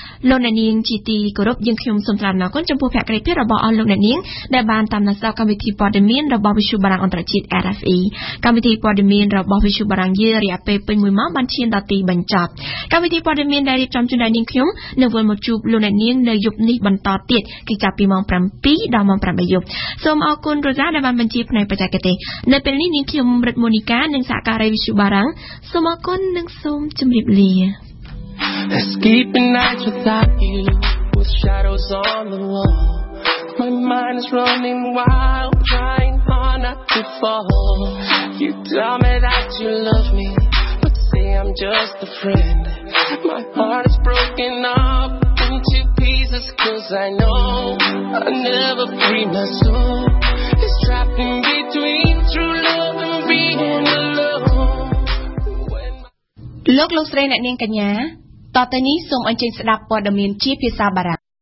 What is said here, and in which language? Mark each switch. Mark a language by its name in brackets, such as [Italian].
[Khmer] លោកអ្នកនាងជាទីគោរពយើងខ្ញុំសូមថ្លែងអំណរគុណចំពោះភក្តីភាពរបស់អស់លោកអ្នកនាងដែលបានតាមដានសកម្មភាពព័ត៌មានរបស់វិទ្យុបារាំងអន្តរជាតិ RFI កម្មវិធីព័ត៌មានរបស់វិទ្យុបារាំងយារយៈពេលពេញមួយម៉ោងបានឈានដល់ទីបញ្ចប់កម្មវិធីព័ត៌មានដែលរៀបចំជូនអ្នកនាងខ្ញុំនៅវេលាមកជួបលោកអ្នកនាងនៅយប់នេះបន្តទៀតគឺចាប់ពីម៉ោង7ដល់ម៉ោង8យប់សូមអរគុណរដ្ឋាដែលបានបញ្ជាផ្នែកបច្ចេកទេសនៅពេលនេះនាងខ្ញុំរិទ្ធមូនីកានិងសហការីវិទ្យុបារាំងសូមអរគុណនិងសូមជម្រាបលា [English] Escaping nights without you, with shadows on the wall. My mind is running wild, trying hard not to fall. You tell me that you love me, but say I'm just a friend. My heart is broken up into pieces, 'cause I know I'll never free my soul. It's trapped in between true love and being alone. Look, look, straight at me, Kenya. [Khmer] ដល់ទៅនេះសូមអញ្ជើញស្ដាប់ព័ត៌មានជាភាសាបារាំង